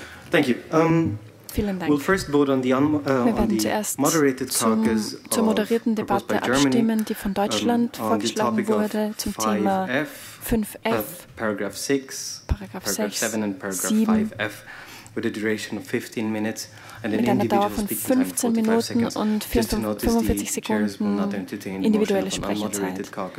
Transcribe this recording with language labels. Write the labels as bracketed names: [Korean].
[English] Thank you. [German] Vielen Dank. [English] We'll first vote on the moderated caucus [German] zur moderierten Debatte abstimmen, die von Deutschland vorgeschlagen wurde zum Thema 5F, Paragraph [English] 6, Paragraph 7 und Paragraph 5F with a duration of 15 minutes and [German] mit einer Dauer von 15 Minuten und 45 Sekunden individuelle Sprecherzeit.